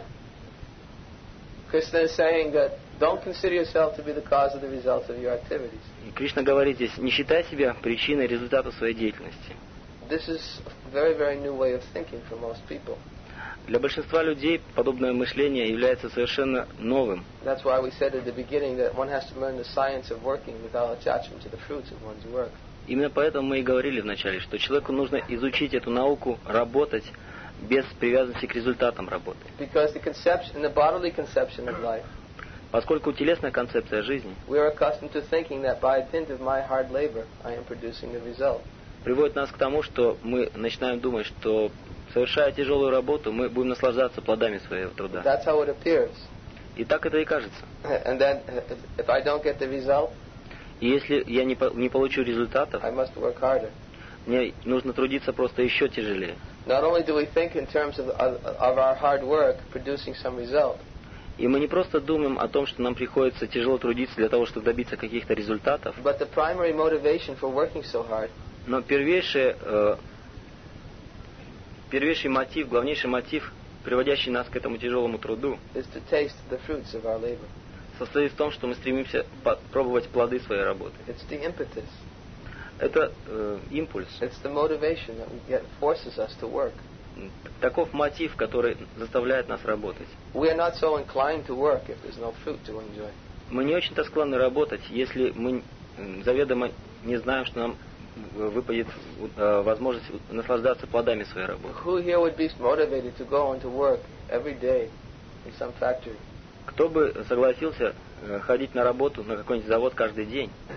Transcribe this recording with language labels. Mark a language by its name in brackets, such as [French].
[English] So Krishna is saying that don't consider yourself to be the cause of the results of your activities. [Russian] И Кришна говорит здесь, не считай себя причиной результата своей деятельности. [English] This is a very, very new way of thinking for most people. [Russian] Для большинства людей подобное мышление является совершенно новым. [English] That's why we said at the beginning that one has to learn the science of working without attachment to the fruits of one's work. [Russian] Именно поэтому мы и говорили вначале, что человеку нужно изучить эту науку, работать без привязанности к результатам работы. [English] Because the conception, the bodily conception of life, [Russian] поскольку телесная концепция жизни приводит нас к тому, что мы начинаем думать, что совершая тяжелую работу, мы будем наслаждаться плодами своего труда. [English] That's how it appears. [Russian] И так это и кажется. [English] And then, if I don't get the result, [Russian] и если я не получу результатов, мне нужно трудиться просто еще тяжелее. [English] Not only do we think in terms of our hard work producing some result. [Russian] И мы не просто думаем о том, что нам приходится тяжело трудиться для того, чтобы добиться каких-то результатов. [English] But the primary motivation for working so hard. [Russian] Но первейший мотив, главнейший мотив, приводящий нас к этому тяжелому труду, [English] is to taste the fruits of our labor. [Russian] Состоит в том, что мы стремимся попробовать плоды своей работы. [English] It's the impetus. [Russian] Это импульс. [English] It's the motivation that forces us to work. [Russian] Таков мотив, который заставляет нас работать. [English] We are not so inclined to work if there's no fruit to enjoy. [Russian] Мы не очень-то склонны работать, если мы заведомо не знаем, что нам выпадет возможность наслаждаться плодами своей работы. [English] Who here would be motivated to go into work every day in some factory? [Russian] Кто бы согласился ходить на работу на какой-нибудь завод каждый день?